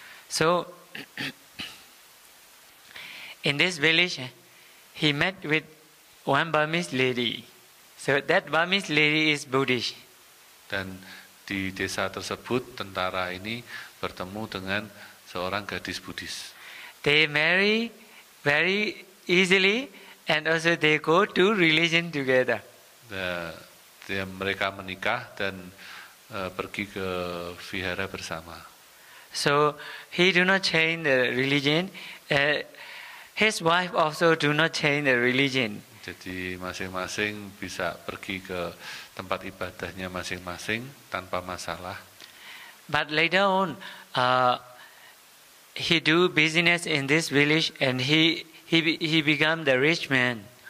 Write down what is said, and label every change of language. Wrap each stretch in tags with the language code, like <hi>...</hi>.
<en>So in this village he met with one Burmese lady. So that Burmese lady is Buddhist.</en> <id>Dan di desa tersebut tentara ini bertemu dengan seorang gadis Buddhis.</id> <en>They marry very easily and also they go to religion together.</en> <id>Mereka menikah dan pergi ke vihara bersama.</id> <en>So he do not change the religion. His wife also do not change the religion.</en> <id>Jadi masing-masing bisa pergi ke tempat ibadahnya masing-masing tanpa masalah.</id> <en>But later on, he do business in this village and he become the rich man.</en>